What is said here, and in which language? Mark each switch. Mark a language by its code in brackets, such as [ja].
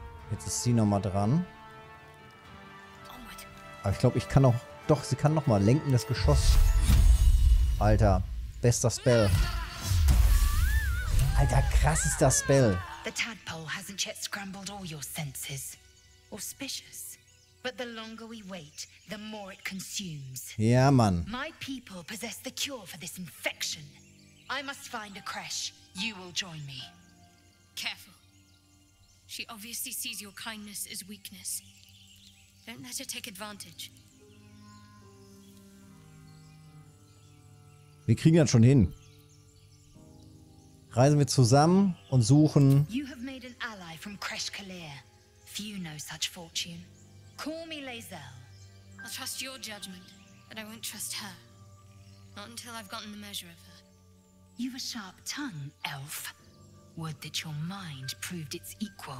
[de] Jetzt ist sie nochmal dran. Aber ich glaube, ich kann auch. Doch, sie kann nochmal lenken das Geschoss. Alter, bester Spell. Alter, krass ist das Spell. [en] The tadpole hasn't yet scrambled all your senses. Auspicious. But the longer we wait, the more it consumes. [de] Ja, Mann. [en] My people possess the cure for this infection. I must find a crash. You will join me. Careful. She obviously sees your kindness as weakness. Don't let her take advantage. [de] Wir kriegen das schon hin. Reisen wir zusammen und suchen. [en] You have made an ally from Crash Kalir. Few know such fortune. Call me Lazelle. I'll trust your judgment, but I won't trust her. Not until I've gotten the measure of her. You've a sharp tongue, Elf. Would that your mind proved its equal.